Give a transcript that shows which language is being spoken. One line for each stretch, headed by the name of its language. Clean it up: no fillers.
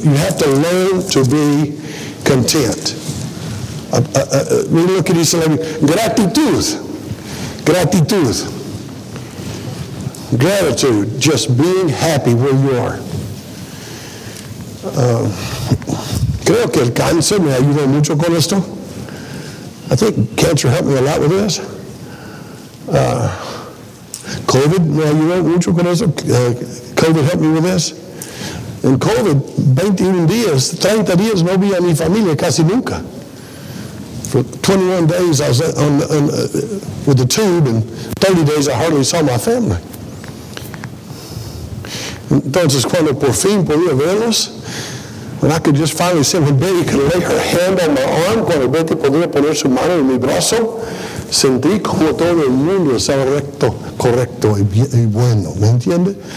English: You have to learn to be content.
Spanish: Mira lo que dice la Biblia. Gratitud.
English: Gratitude. Just being happy where you are.
Spanish: Creo que el cáncer me ayudó mucho con esto.
English: I think cancer helped me a lot with this. COVID, you know,
Spanish: mucho con eso.
English: COVID helped me with this.
Spanish: In COVID, 21 días, 30 días, no vi a mi familia casi nunca.
English: For 21 days, I was with the tube, and 30 days, I hardly saw my family.
Spanish: Entonces, cuando por fin podía verlos,
English: when I could just finally see my baby, could lay her hand on my arm,
Spanish: cuando Betty podía poner su mano en mi brazo, sentí como todo el mundo estaba recto, correcto y bueno, ¿me entiende?